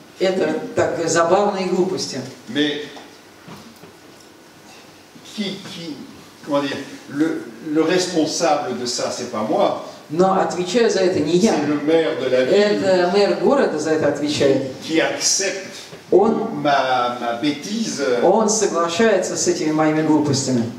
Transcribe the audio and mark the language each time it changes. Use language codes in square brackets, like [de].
[ru] Это так забавные глупости. [fr] Mais, qui, comment dire, le responsable de ça, c'est pas moi. [ru] Но отвечаю за это не я. [fr] C'est le maire de la ville. [ru] Это мэр города за это отвечает. [fr] Qui accepte ma bêtise. [ru] Он соглашается с этими моими глупостями.